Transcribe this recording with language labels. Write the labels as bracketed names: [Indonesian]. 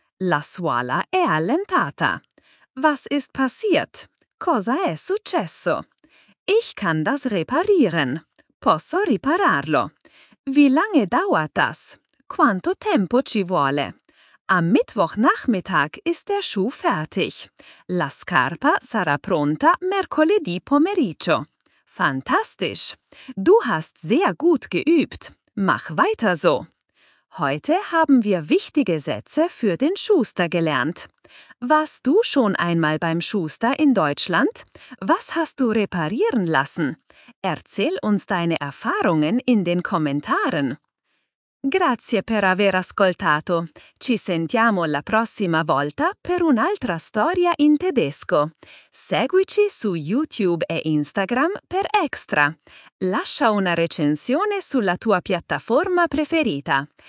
[Italian] La suola è allentata. [German] Was ist passiert? [Italian] Cosa è successo? [German] Ich kann das reparieren. [Italian] Posso ripararlo. [German] Wie lange dauert das? [Italian] Quanto tempo ci vuole? [German] Am Mittwochnachmittag ist der Schuh fertig. [Italian] La scarpa sarà pronta mercoledì pomeriggio. [German] Fantastisch! Du hast sehr gut geübt. Mach weiter so! Heute haben wir wichtige Sätze für den Schuster gelernt. Warst du schon einmal beim Schuster in Deutschland? Was hast du reparieren lassen? Erzähl uns deine Erfahrungen in den Kommentaren. [Italian] Grazie per aver ascoltato. Ci sentiamo la prossima volta per un'altra storia in tedesco. Seguici su YouTube e Instagram per extra. Lascia una recensione sulla tua piattaforma preferita.